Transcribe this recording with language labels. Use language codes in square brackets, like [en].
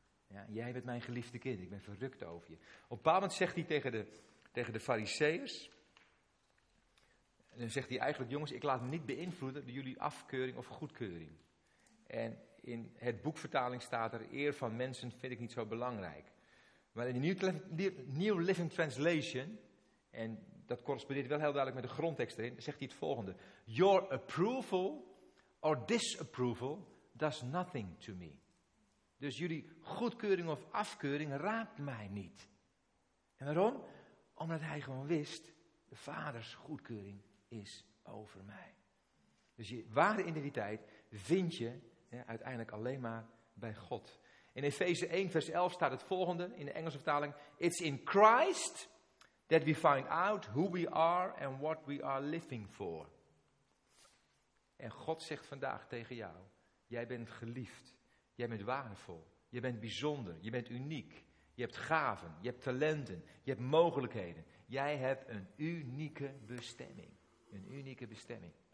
[nl] Ja, jij bent mijn geliefde kind, ik ben verrukt over je. Op een bepaald moment zegt hij tegen de Farizeeërs, dan zegt hij eigenlijk, jongens, ik laat me niet beïnvloeden door jullie afkeuring of goedkeuring. En in het boekvertaling staat er, eer van mensen vind ik niet zo belangrijk. Maar in de New Living Translation, en dat correspondeert wel heel duidelijk met de grondtekst erin, zegt hij het volgende. [en] Your approval or disapproval does nothing to me. [nl] Dus jullie goedkeuring of afkeuring raakt mij niet. En waarom? Omdat hij gewoon wist, de vaders goedkeuring is over mij. Dus je ware identiteit vind je, ja, uiteindelijk alleen maar bij God. In Efeze 1 vers 11 staat het volgende in de Engelse vertaling. [en] It's in Christ that we find out who we are and what we are living for. [nl] En God zegt vandaag tegen jou. Jij bent geliefd. Jij bent waardevol. Je bent bijzonder. Je bent uniek. Je hebt gaven. Je hebt talenten. Je hebt mogelijkheden. Jij hebt een unieke bestemming. Een unieke bestemming.